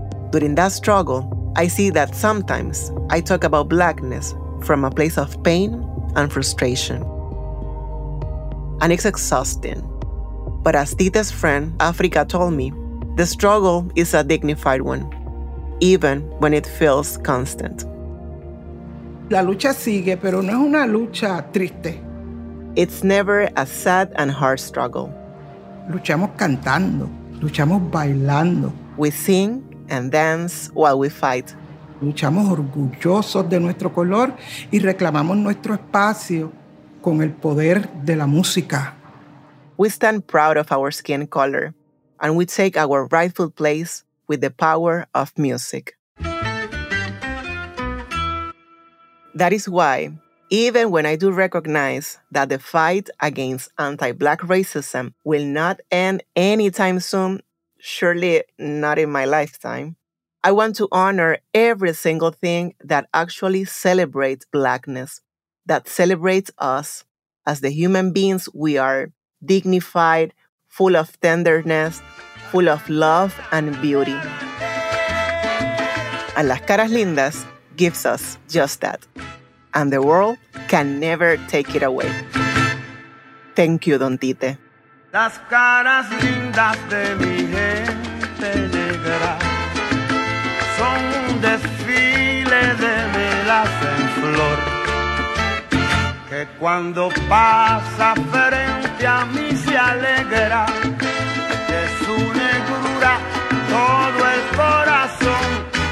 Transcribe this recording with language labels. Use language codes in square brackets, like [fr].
[en] During that struggle, I see that sometimes I talk about blackness from a place of pain and frustration. And it's exhausting. But as Tita's friend, Africa, told me, the struggle is a dignified one, even when it feels constant. [es] La lucha sigue, pero no es una lucha triste. [en] It's never a sad and hard struggle. [es] Luchamos cantando, luchamos bailando. [en] We sing and dance while we fight. [es] Luchamos orgullosos de nuestro color y reclamamos nuestro espacio con el poder de la música. [en] We stand proud of our skin color and we take our rightful place with the power of music. That is why even when I do recognize that the fight against anti-black racism will not end anytime soon, surely not in my lifetime, I want to honor every single thing that actually celebrates blackness, that celebrates us as the human beings we are, dignified, full of tenderness, full of love and beauty. And Las Caras Lindas gives us just that. And the world can never take it away. Thank you, Don Tite. [es] Las caras lindas de mi gente negra son un desfile de velas en flor que cuando pasa frente a mí se alegra de su negrura todo el corazón.